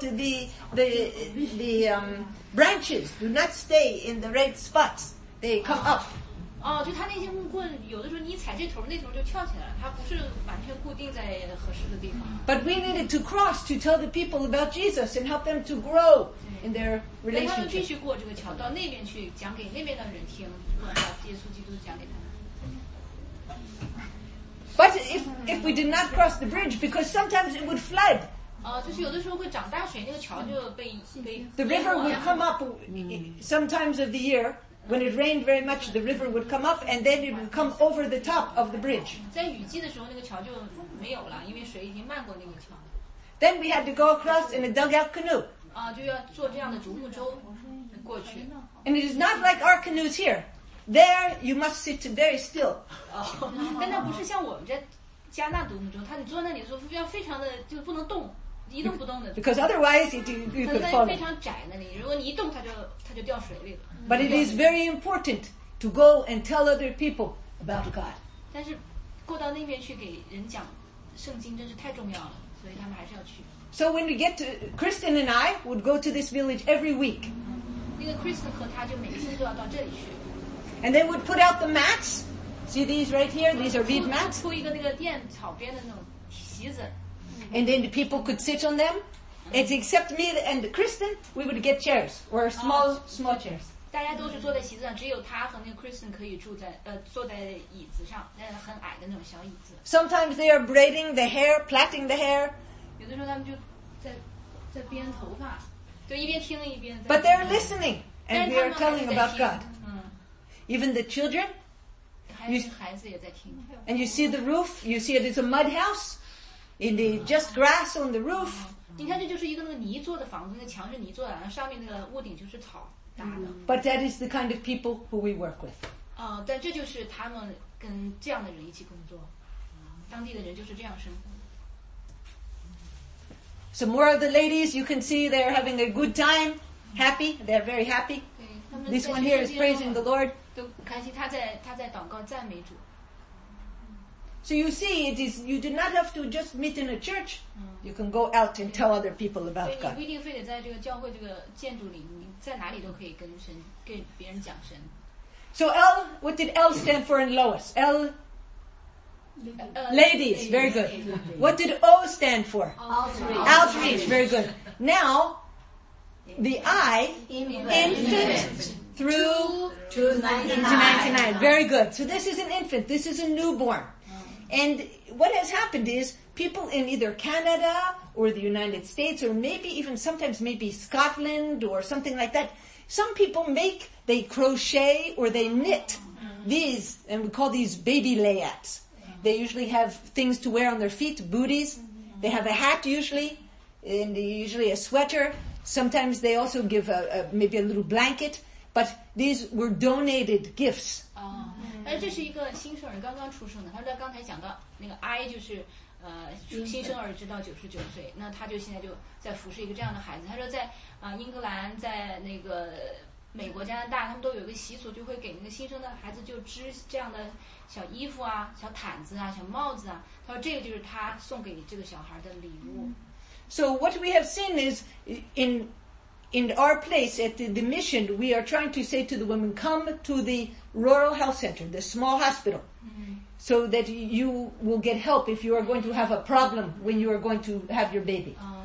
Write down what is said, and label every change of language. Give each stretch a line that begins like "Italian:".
English: The branches do not stay in the red spots. They come up.
Chinese: 哦，就他那些木棍，有的时候你踩这头，那头就跳起来了，它不是完全固定在合适的地方。
English: But we needed to cross to tell the people about Jesus and help them to grow in their relationship.
Chinese: 他们必须过这个桥，到那边去讲给那边的人听，把耶稣基督讲给他们。
English: But if we did not cross the bridge, because sometimes it would flood.
Chinese: 哦，就是有的时候会涨大水，那个桥就被
English: The river would come up sometimes of the year. When it rained very much, the river would come up, and then it would come over the top of the bridge.
Chinese: 在雨季的时候，那个桥就没有了，因为水已经漫过那个桥。
English: Then we had to go across in a dugout canoe.
Chinese: 啊，就要坐这样的独木舟过去。
English: And it is not like our canoes here. There, you must sit very still.
Chinese: 哦，但那不是像我们这加拿大独木舟，它得坐那里的时候要非常的就不能动。一动不动的
English: Because otherwise you could fall.
Chinese: 非常窄那里，如果你一动，它就掉水里了。
English: But it is very important to go and tell other people about God.
Chinese: 但是过到那边去给人讲圣经真是太重要了，所以他们还是要去。
English: So when we get to Kristen and I would go to this village every week.
Chinese: 那个 Kristen 和他就每天都要到这里去。
English: And they would put out the mats. See these right here? These are reed mats.
Chinese: 铺一个那个垫草编的那种席子。
English: And then the people could sit on them. It's except me and Kristen, we would get chairs or small chairs.
Chinese: 大家都是坐在席子上，只有他和那个 Kristen 可以住在坐在椅子上，那很矮的那种小椅子。
English: Sometimes they are braiding the hair, plaiting the hair.
Chinese: 有的时候他们就在编头发，就一边听一边。
English: But they are listening and they are telling about God. Even the children.
Chinese: 孩子也在听。
English: And you see the roof. You see it is a mud house. In the just grass on the roof.
Chinese: 你看，这就是一个那个泥做的房子，那墙是泥做的，然后上面那个屋顶就是草搭的。
English: But that is the kind of people who we work with.
Chinese: 啊，但这就是他们跟这样的人一起工作，当地的人就是这样生活。
English: Some more of the ladies, you can see they're having a good time, happy. They're very happy.
Chinese: 对
English: This one here is praising the Lord.
Chinese: 都开心，他在祷告赞美主。
English: So you see, it is, you do not have to just meet in a church. You can go out and tell other people about God.
Chinese: 所以你不一定非得在这个教会这个建筑里，你在哪里都可以跟神跟别人讲神。
English: So L, what did L stand for in Lois? L, ladies, very good. What did O stand for? Outreach, very good. Now, the I, infant, through to 99. Very good. So this is an infant. This is a newborn. And what has happened is people in either Canada or the United States or maybe even sometimes maybe Scotland or something like that, some people they crochet or they knit these, and we call these baby layettes. They usually have things to wear on their feet, booties. They have a hat usually, and usually a sweater. Sometimes they also give maybe a little blanket, but these were donated gifts.
Chinese: 哎，这是一个新生儿刚刚出生的。他说他刚才讲到那个 I 就是新生儿直到99岁，那他就现在就在服侍一个这样的孩子。他说在英格兰，在那个美国、加拿大，他们都有一个习俗，就会给那个新生的孩子就织这样的小衣服啊、小毯子啊、小帽子啊。他说这个就是他送给这个小孩的礼物。
English: So what we have seen is in our place at the mission, we are trying to say to the women, come to the rural health center, the small hospital, so that you will get help if you are going to have a problem when you are going to have your baby.